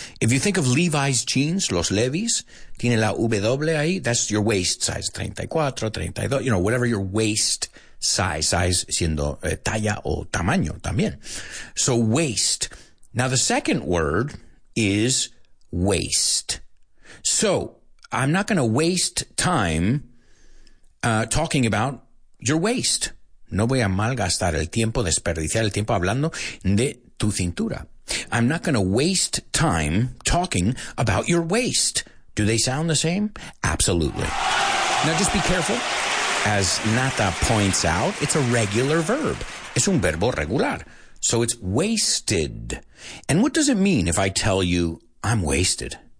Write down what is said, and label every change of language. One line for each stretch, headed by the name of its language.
English: If you think of Levi's jeans,
Spanish: los Levi's, tiene la W ahí,
English: that's your waist size, 34, 32, you know, whatever your waist size
Spanish: siendo talla o tamaño también.
English: So waist. Now the second word is waste. So I'm not going to waste time talking about your waist.
Spanish: No voy a malgastar el tiempo, desperdiciar el tiempo hablando de tu cintura.
English: I'm not going to waste time talking about your waist. Do they sound the same? Absolutely. Now just be careful. As Nata points out, it's a regular verb.
Spanish: Es un verbo regular.
English: So it's wasted. And what does it mean if I tell you I'm wasted?